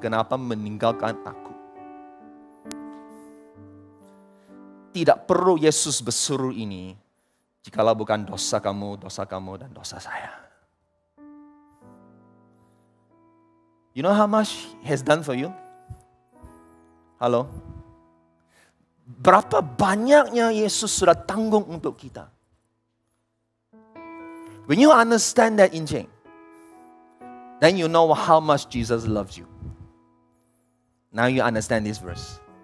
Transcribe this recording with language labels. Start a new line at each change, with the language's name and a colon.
Malay: Kenapa meninggalkan aku? Tidak perlu Yesus bersuruh ini. Jikalau bukan dosa kamu dan dosa saya.
English: You know how much he has done for you? Halo?
Malay: Berapa banyaknya Yesus sudah tanggung untuk kita.
English: When you understand that in change, then you know how much Jesus loves you. Now you understand this verse.